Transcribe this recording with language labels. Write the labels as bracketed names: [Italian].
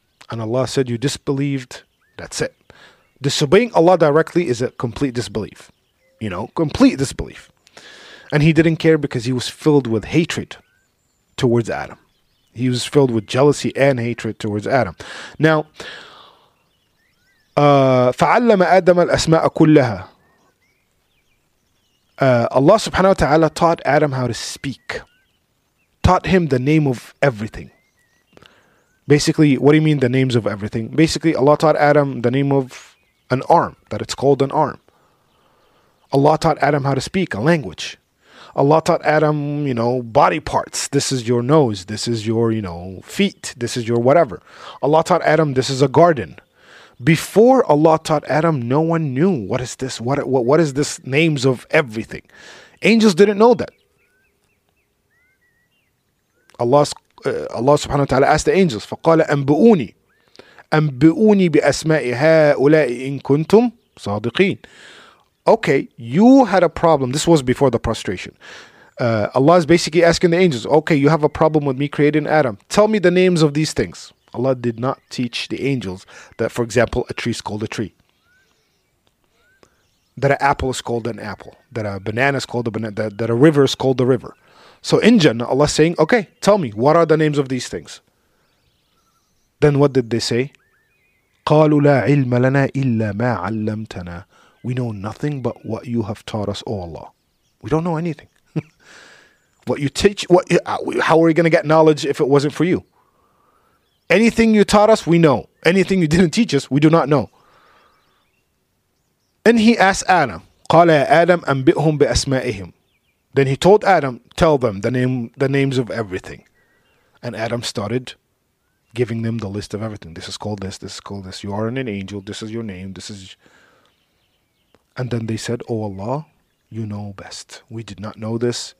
[English] And Allah said, you disbelieved. That's it. Disobeying Allah directly is a complete disbelief. You know, complete disbelief. And he didn't care because he was filled with hatred towards Adam. He was filled with jealousy and hatred towards Adam. [Arabic] Now, فَعَلَّمَ أَدَمَ الْأَسْمَاءَ كُلَّهَا. [English] Allah subhanahu wa ta'ala taught Adam how to speak. Taught him the name of everything. Basically, what do you mean the names of everything? Basically, Allah taught Adam the name of an arm, that it's called an arm. Allah taught Adam how to speak, a language. Allah taught Adam, you know, body parts. This is your nose. This is your, you know, feet. This is your whatever. Allah taught Adam, this is a garden. Before Allah taught Adam, no one knew what is this, what is this names of everything. Angels didn't know that. Allah subhanahu wa ta'ala asked the angels, [Arabic] فَقَالَ أَنْبُؤُونِي أَنْبُؤُونِي بِأَسْمَاءِ هَا أُولَٰئِ إِن كُنْتُمْ صَادِقِينَ. [English] Okay, you had a problem. This was before the prostration. Allah is basically asking the angels, okay, you have a problem with me creating Adam. Tell me the names of these things. Allah did not teach the angels that, for example, a tree is called a tree. That an apple is called an apple. That a banana is called a banana. That a river is called a river. So in Jannah, Allah is saying, okay, tell me, what are the names of these things? Then what did they say? [Arabic] قَالُوا لَا عِلْمَ لَنَا إِلَّا مَا عَلَّمْتَنَا. [English] We know nothing but what you have taught us, O Allah. We don't know anything. What you teach, how are we going to get knowledge if it wasn't for you? Anything you taught us, we know. Anything you didn't teach us, we do not know. And he asked Adam, [Arabic] قَالَ يَا آدَمْ أَنْبِئْهُمْ بِأَسْمَائِهِمْ. [English] Then he told Adam, tell them the names of everything. And Adam started giving them the list of everything. This is called this, this is called this. You are an angel, this is your name, this is... And then they said, oh Allah, you know best. We did not know this.